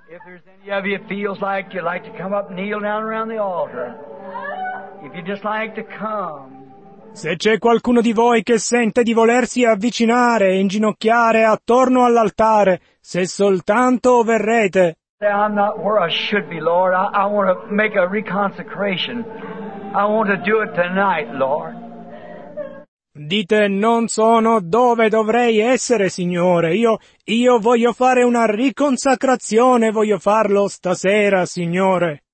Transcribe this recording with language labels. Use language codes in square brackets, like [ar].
[en] If there's any of you feels like you'd like to come up kneel down around the altar. If you just like to come. [it] Se c'è qualcuno di voi che sente di volersi avvicinare e inginocchiare attorno all'altare, se soltanto verrete. [en] I'm not where I should be, Lord. I want to make a reconsecration. I want to do it tonight, Lord. [it] Dite, non sono dove dovrei essere, Signore. Io voglio fare una riconsacrazione, voglio farlo stasera, Signore.